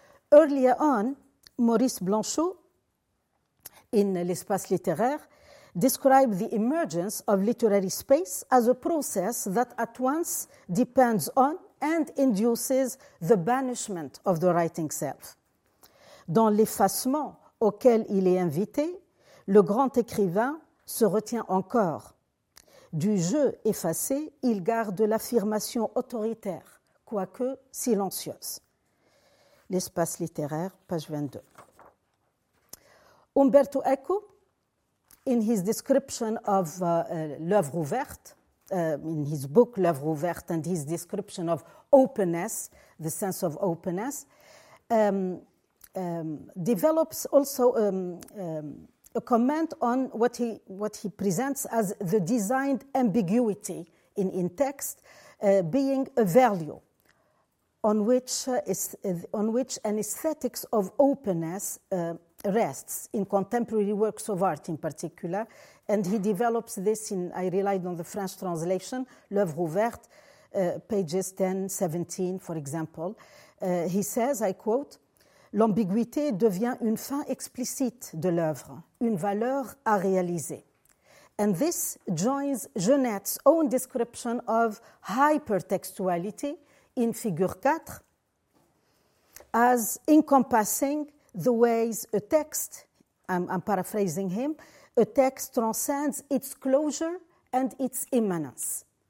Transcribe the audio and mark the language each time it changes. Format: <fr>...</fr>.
<en>Earlier on, Maurice Blanchot, in L'Espace Littéraire, describe the emergence of literary space as a process that at once depends on and induces the banishment of the writing self.</en> <fr>Dans l'effacement auquel il est invité, le grand écrivain se retient encore. Du jeu effacé, il garde l'affirmation autoritaire, quoique silencieuse. L'Espace Littéraire, page 22.</fr> <en>Umberto Eco, in his description of l'œuvre ouverte, in his book L'œuvre ouverte, and his description of openness, the sense of openness, develops also a comment on what he presents as the designed ambiguity in text being a value on which an aesthetics of openness rests in contemporary works of art in particular, and he develops this in, I relied on the French translation, L'œuvre ouverte, pages 10, 17, for example. He says, I quote,</en> <fr>l'ambiguïté devient une fin explicite de l'œuvre, une valeur à réaliser.</fr> <en>And this joins Genette's own description of hypertextuality in figure 4 as encompassing the ways a text, I'm paraphrasing him, a text transcends its closure and its immanence.</en>